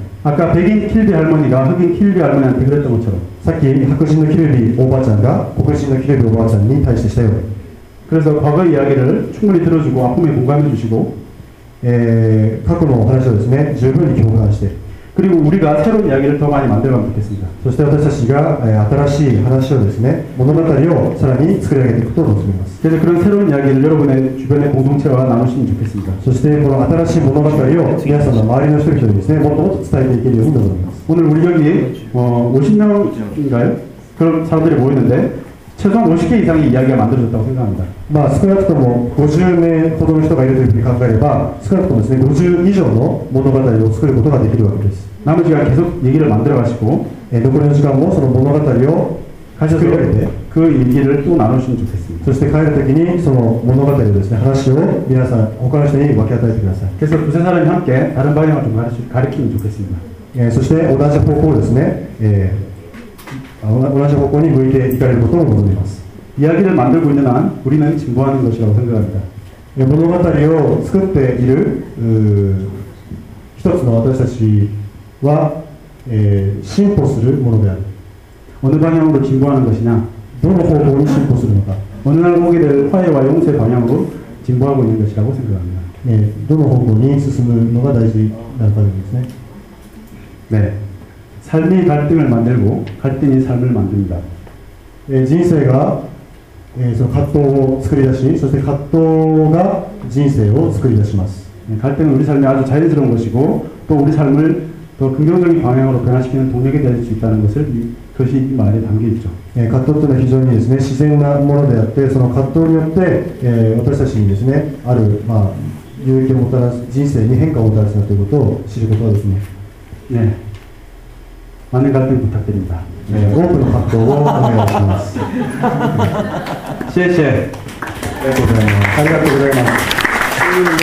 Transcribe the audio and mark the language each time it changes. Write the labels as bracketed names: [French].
[Japanese] あか、白人 [Korean] キルビー할머니 [Japanese] が黒人 [Korean] キルビー할머니한테그랬던것처럼。 [Japanese] さっき白人のキルビーおばあちゃんが黒人のキルビーおばあちゃんに対してしたように。 [Korean] 그래서과거의이야기를충분히들어주고아픔에공감해주시고、 [Japanese] 過去の話をですね、十分に共感して。 [Korean] 그리고우리가새로운이야기를더많이만들어가면좋겠습니다。 [Japanese] そして私たちが新しい話をですね、物語をさらに作り上げていくことを望みます。 [Korean] 그래서그런새로운이야기를여러분의주변의공동체와나누시면좋겠습니다。 [Japanese] そしてこの新しい物語を皆様の周りの人々にですね、もっともっと伝えていけるように望みます。 [Korean] 오늘우리여기50명인가요그런사람들이모이는데최소한50개이상의이야기가만들어졌다고생각합니다 [Japanese] まあ少なくとも50名ほどの人がいるというふうに考えれば少なくともですね50以上の物語を作ることができるわけです [Korean] 남은시간계속얘기를만들어가시고 [Japanese] 残りの時間もその物語を [Korean] 가져서그얘기를또나누시면좋겠습니다 [Japanese] そして帰る時にその物語をですね話を皆さん他の人に分け与えてください [Korean] 계속두세사람이함께다른방향을좀가르치면좋겠습니다 [Japanese] そして同じ方向ですね同じ方向に向いていかれることを望みます [Korean] 이야기를만들고있는한우리는진보하는것이라고생각합니다 [Japanese] 物語を作っている一つの私たちは進歩するものである [Korean] 어느방향으로진보하는것이냐 [Japanese] どの方向に進歩するのか [Korean] 어느날목이될화해와용서의방향으로진보하고있는것이라고생각합니다 [Japanese] どの方向に進むのが大事なのかですね [Korean] 네삶이갈등을만들고갈등이삶을만듭니다 [Japanese] 人生がその葛藤を作り出しそして葛藤が人生を作り出します [Korean] 갈등은우리삶에아주자연스러운것이고또우리삶을더긍정적인방향으로변화시키는동력이될수있다는것을그것이이말에담겨있죠 [Japanese] 葛藤というのは非常にですね自然なものであってその葛藤によって私たちにですねある有益をもたらす人生に変化をもたらすなということを知ることはですね [Korean] 네. 많은 갈등 부탁드립니다. 네, 오픈 박도 환영합니다. [Chinese] 谢谢. [Korean] 네, 고생합니다. 감사합니다.